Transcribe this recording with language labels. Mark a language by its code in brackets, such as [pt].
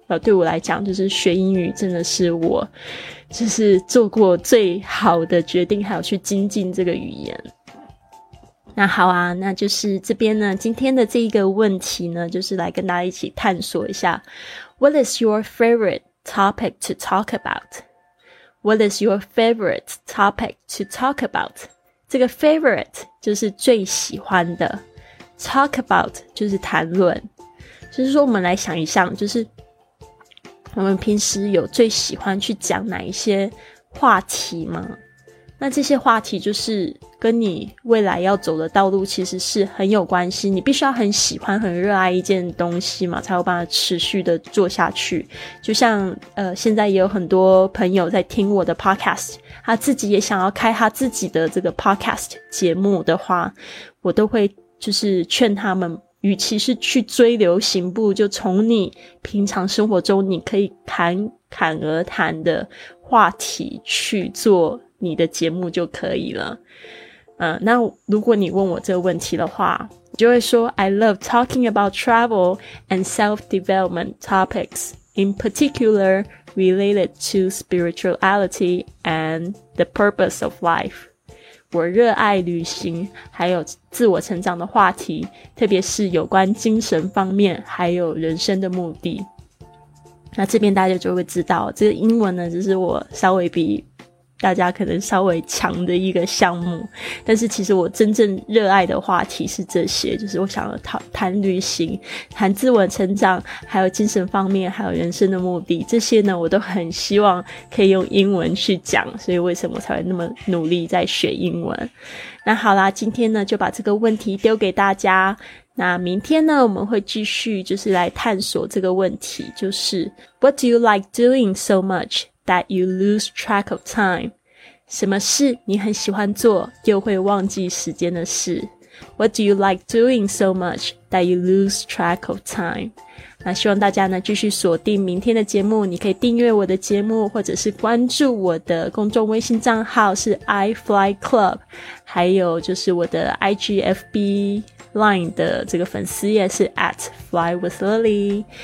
[zh] 对我来讲，就是学英语真的是我就是做过最好的决定，还有去精进这个语言。那好啊，那就是这边呢今天的这一个问题呢，就是来跟大家一起探索一下 [en] What is your favorite topic to talk about? What is your favorite topic to talk about? [zh] 这个 favorite 就是最喜欢的， talk about 就是谈论，就是说我们来想一想，就是我们平时有最喜欢去讲哪一些话题吗？那这些话题就是跟你未来要走的道路其实是很有关系，你必须要很喜欢很热爱一件东西嘛，才有办法持续的做下去。就像现在也有很多朋友在听我的 podcast， 他自己也想要开他自己的这个 podcast 节目的话，我都会就是劝他们，与其是去追流行，不如就从你平常生活中你可以侃侃而谈的话题去做你的节目就可以了。那如果你问我这个问题的话，你就会说 [en] I love talking about travel and self-development topics, in particular related to spirituality and the purpose of life. [zh] 我热爱旅行还有自我成长的话题，特别是有关精神方面还有人生的目的。那这边大家就会知道，这个英文呢，就是我稍微比大家可能稍微强的一个项目，但是其实我真正热爱的话题是这些，就是我想要谈旅行，谈自我成长，还有精神方面，还有人生的目的，这些呢我都很希望可以用英文去讲，所以为什么才会那么努力在学英文。那好啦，今天呢就把这个问题丢给大家，那明天呢我们会继续就是来探索这个问题，就是 [en] What do you like doing so much? That you lose track of time. [zh] 什么事你很喜欢做又会忘记时间的事？ [en] What do you like doing so much that you lose track of time? [zh] 那希望大家呢继续锁定明天的节目，你可以订阅我的节目或者是关注我的公众微信账号是 iFly Club， 还有就是我的 IGFB Line 的这个粉丝也是 at Fly with Lily。